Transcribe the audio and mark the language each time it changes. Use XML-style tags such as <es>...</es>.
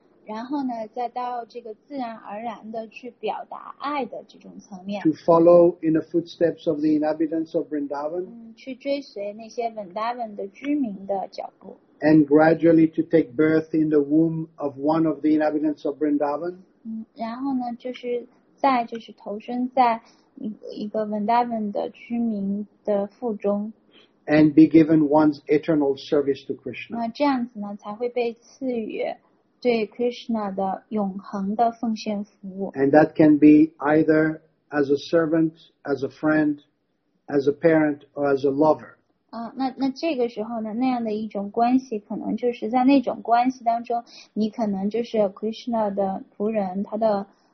<zh>然后呢，再到这个自然而然的去表达爱的这种层面。</zh> <en>To follow in the footsteps of the inhabitants of Vrindavan。</en> <zh>去追随那些 Vrindavan 的居民的脚步。</zh> <en>And gradually to take birth in the womb of one of the inhabitants of Vrindavan。</en> <zh>然后呢，就是。在就是投身在一个 Vrindavan 的居民的腹中</zh> <en>，and be given one's eternal service to Krishna。</en> <zh>那这样子呢，才会被赐予对 Krishna 的永恒的奉献服务。</zh> <en>And that can be either as a servant, as a friend, as a parent, or as a lover。</en> <zh>那这个时候呢，那样的一种关系，可能就是在那种关系当中，你可能就是 Krishna 的仆人，他的。</zh>